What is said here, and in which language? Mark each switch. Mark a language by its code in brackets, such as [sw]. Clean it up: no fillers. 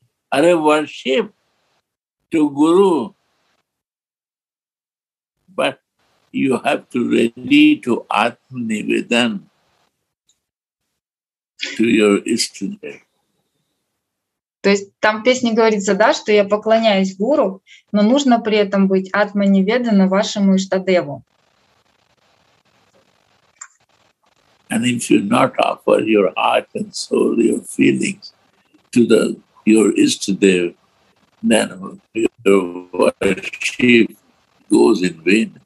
[en] Are worship to Guru, but you have to ready to Atma Nivedan. to your [ru] истине. То есть там в песне говорится, да, что я поклоняюсь гуру, но нужно при этом быть атманиведана вашему иштадеву. [en] And if you not offer your heart and soul, your feelings to the your istadev, then your worship goes in vain.